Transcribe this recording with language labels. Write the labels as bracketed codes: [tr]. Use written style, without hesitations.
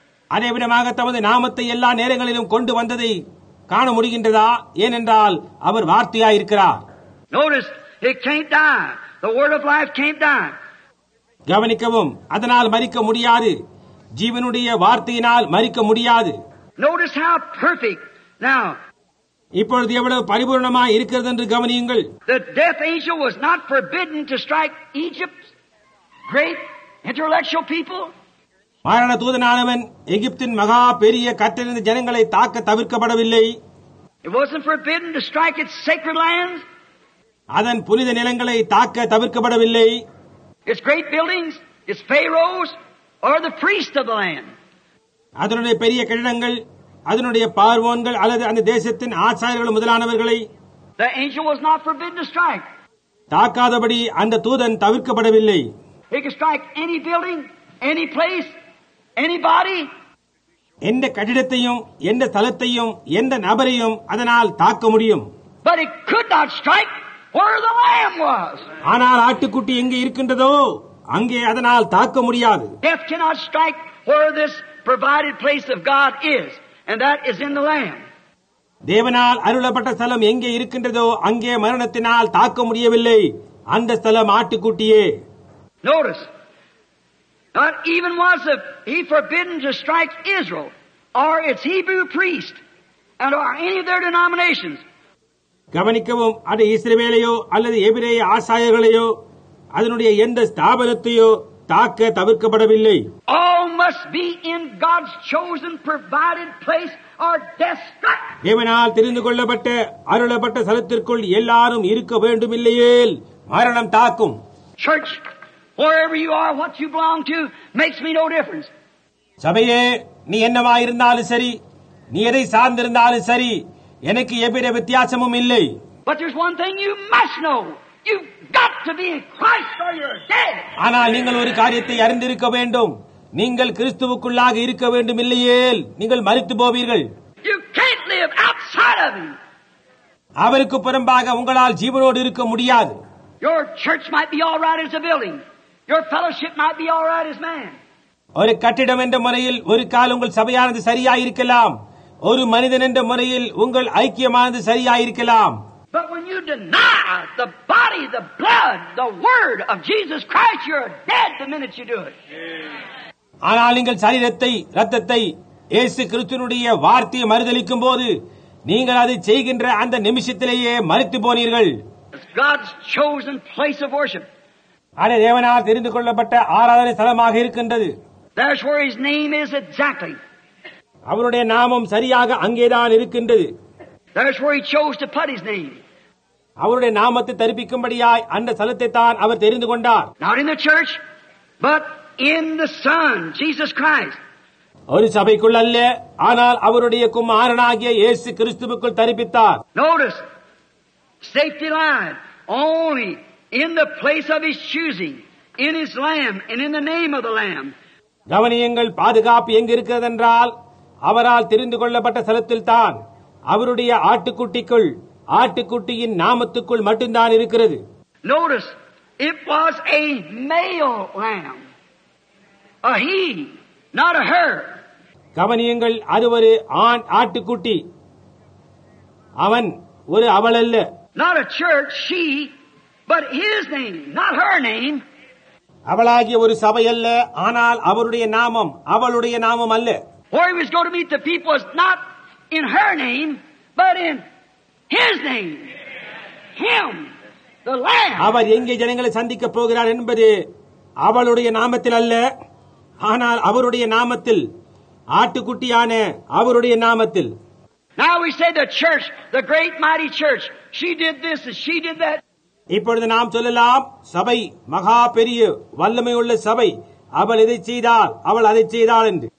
[ta] அதேவிதமாக தமது நாமத்தை எல்லா நேரங்களிலும் கொண்டு வந்ததை காண முடிகின்றதா? ஏனென்றால் அவர் வார்த்தையாயிருக்கிறார். [en] Notice, it can't die. The word of life can't die. [ta] கவனிக்கவும், அதனால் மறிக்க முடியாது. ஜீவனுடைய வார்த்தையினால் மறிக்க முடியாது. [en] Notice how perfect now. [ta] இப்பொழுது எவ்வளவு பரிபூர்ணமாக இருக்கிறது என்று கவனியுங்கள். [en] The death angel was not forbidden to strike Egypt's great intellectual people. [ta] மரண தூதனானவன் எகிப்தின் மகா பெரிய கட்டணிந்த ஜனங்களை தாக்க தவிர்க்கப்படவில்லை. [en] It wasn't forbidden to strike its sacred lands. [ta] அதன் புனித நிலங்களை தாக்க தவிர்க்கப்படவில்லை. [en] Its great buildings, its pharaohs, or the priests of the land. [ta] அதனுடைய பெரிய கட்டிடங்கள், அதனுடைய பார்வோன்கள் அல்லது அந்த தேசத்தின் ஆச்சாரியர்கள் முதலானவர்களை. [en] The angel was not forbidden to strike. [ta] தாக்காதபடி அந்த தூதன் தவிர்க்கப்படவில்லை. [en] He could strike any building, any place, anybody. [ta] எந்த கட்டிடத்தையும், எந்த தலத்தையும், எந்த நபரையும் அதனால் தாக்க முடியும். [en] But it could not strike. Where the lamb was. [ta] ஆனால் ஆட்டுக்குட்டி எங்கே இருக்கின்றதோ அங்கே அதனால் தாக்க முடியாது. [en] Death cannot strike where this provided place of God is, and that is in the lamb. [ta] தேவனால் அருளப்பட்ட ஸ்தலம் எங்கே இருக்கின்றதோ அங்கே மரணத்தினால் தாக்க முடியவில்லை. அந்த ஸ்தலம் ஆட்டுக்குட்டியே. [en] Notice, not even was he forbidden to strike Israel or its Hebrew priest and or any of their denominations. [ta] கவனிக்கவும், அது இஸ்ரவேலையோ அல்லது எபிரேய ஆசாரியர்களையோ அதனுடைய எந்த ஸ்தாபனத்தையோ தாக்க தவிர்க்கப்படவில்லை. [en] All must be in God's chosen provided place or destined. [ta] தேவனால் தெரிந்து கொள்ளப்பட்ட அருளப்பட்ட ஸ்தலத்திற்குள் எல்லாரும் இருக்க வேண்டும் இல்லையேல் மரணம் தாக்கும். [en] Church, wherever you are, what you belong to makes me no difference. [ta] சபையே, நீ என்னவா இருந்தாலும் சரி, நீ எதை சார்ந்திருந்தாலும் சரி, எனக்கு எவ்வித வித்தியாசமும் இல்லை. [en] But there's one thing you must know. You've got to be Christ or you're dead. [ta] ஆனால் நீங்கள் ஒரு காரியத்தை அறிந்திருக்க வேண்டும். நீங்கள் கிறிஸ்துவுக்குள்ளாக இருக்க வேண்டும் இல்லையேல் நீங்கள் மரித்து போவீர்கள். [en] You can't live outside of him. [ta] அவருக்கு புறம்பாக உங்களால் ஜீவனோடு இருக்க முடியாது. [en] Your church might be all right as a building. Your fellowship might be all right as man. [ta] ஒரு கட்டிடம் என்ற முறையில் ஒரு கால உங்கள் சபையானது சரியாயிருக்கலாம். ஒரு மனிதன் என்ற முறையில் உங்கள் ஐக்கியமானது சரியாயிருக்கலாம். [en] But when you deny the body, the blood, the word of Jesus Christ, you're dead the minute you do it. [ta] ஆனால் நீங்கள் சரீரத்தை இரத்தத்தை இயேசு கிறிஸ்துவினுடைய வார்த்தையை மறுதலிக்கும் போது நீங்கள் அதை செய்கின்ற அந்த நிமிஷத்திலேயே மரித்து போனீர்கள். [en] God's chosen place of worship. [ta] அது தேவனால் தெரிந்து கொள்ளப்பட்ட ஆராதனை ஸ்தலமாக இருக்கின்றது. [en] That's where his name is exactly. [ta] அவருடைய நாமம் சரியாக அங்கேதான் இருக்கின்றது. [en] That's where he chose to put his name. [ta] அவருடைய நாமத்தை தரிப்பிக்கும்படியாய் அந்த ஸ்தலத்தை தான் அவர் தெரிந்து கொண்டார். [en] Not in the church, but in the Son, Jesus Christ. [ta] ஒரு சபைக்குள் அல்ல, ஆனால் அவருடைய குமாரனாகிய இயேசு கிறிஸ்துவுக்குள் தரிப்பித்தார். [en] Notice, safety line, only in the place of his choosing, in his lamb, and in the name of the lamb. [ta] கவனியங்கள், பாதுகாப்பு எங்கு இருக்கிறது என்றால் அவரால் தெரிந்து கொள்ளப்பட்ட ஸ்தலத்தில்தான், அவருடைய ஆட்டுக்குட்டிக்குள், ஆட்டுக்குட்டியின் நாமத்துக்குள் மட்டும்தான் இருக்கிறது. [en] Notice, it was a male lamb, a he, not a her. [ta] கவனியங்கள், அது ஒரு ஆண் ஆட்டுக்குட்டி, அவன் ஒரு அவள் அல்ல. [en] Not a church, she, but his name, not her name. [ta] அவளாகிய ஒரு சபை அல்ல, ஆனால் அவருடைய நாமம் அவளுடைய நாமம் அல்ல. [en] Where he was going to meet the people was not in her name, but in his name. Him, the Lamb. [ta] அவர் எங்கே ஜனங்களை சந்திக்க போகிறார் என்பது அவளுடைய நாமத்தில் அல்ல, ஆனால் அவருடைய நாமத்தில், ஆட்டுக்குட்டியான அவருடைய நாமத்தில். [en] Now we say the church, the great mighty church, she did this and she did that. [ta] இப்பொழுது நாம் சொல்லலாம், சபை மகா பெரிய வல்லமை உள்ள சபை, அவள் இதை செய்தால், அவள் அதை செய்தாள் என்று.